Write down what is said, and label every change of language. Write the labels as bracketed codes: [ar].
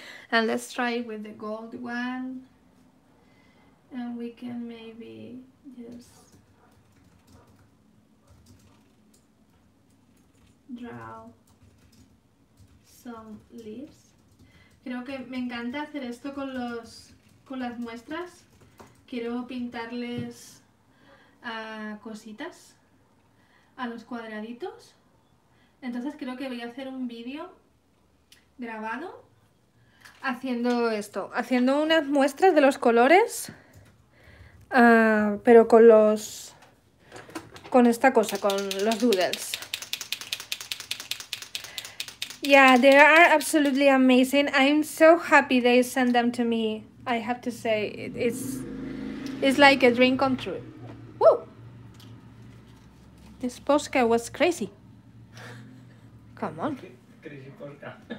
[en] And let's try with the gold one, and we can maybe just draw some leaves. [es] Creo que me encanta hacer esto con los con las muestras. Quiero pintarles cositas a los cuadraditos. Entonces creo que voy a hacer un vídeo grabado haciendo esto, haciendo unas muestras de los colores, pero con los con esta cosa, con los doodles. [en] Yeah, they are absolutely amazing. I'm so happy they sent them to me. I have to say, it's like a dream come true. Woo! This Posca was crazy. Come on. Crazy Posca.